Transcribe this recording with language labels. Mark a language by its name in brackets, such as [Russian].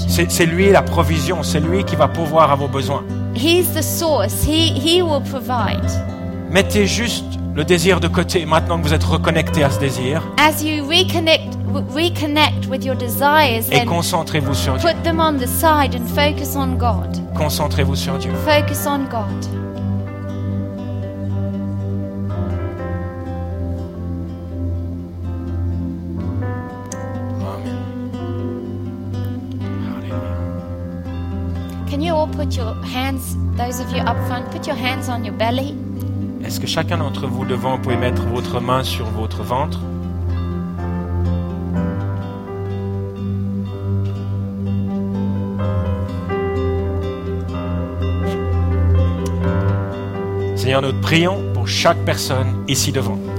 [French] C'est lui la provision, c'est lui qui va pourvoir à vos besoins. [English] He's the source. He will provide. [French] Mettez juste le désir de côté maintenant que vous êtes reconnecté à ce désir. [English] As you reconnect with your desires, [French] et concentrez-vous sur [English] put them on the side and focus on God. [French] Concentrez-vous sur Dieu. [English] Focus on God. [French] Amen. Alléluia. [English] Can you all put your hands, those of you up front, put your hands on your belly? [French] Est-ce que chacun d'entre vous devant pouvez mettre votre main sur votre ventre? Seigneur, nous prions pour chaque personne ici devant.